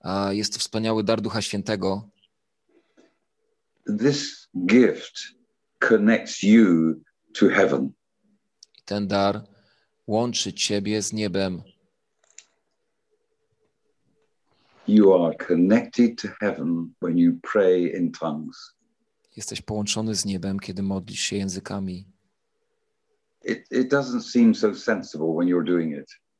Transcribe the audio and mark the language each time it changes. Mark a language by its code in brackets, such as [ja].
[pl] Jest to wspaniały dar Ducha Świętego. [en] This gift connects you to heaven. [pl] Ten dar łączy ciebie z niebem. [en] You are connected to heaven when you pray in tongues. [pl] Jesteś połączony z niebem, kiedy modlisz się językami. [en] It doesn't seem so sensible when you're doing it.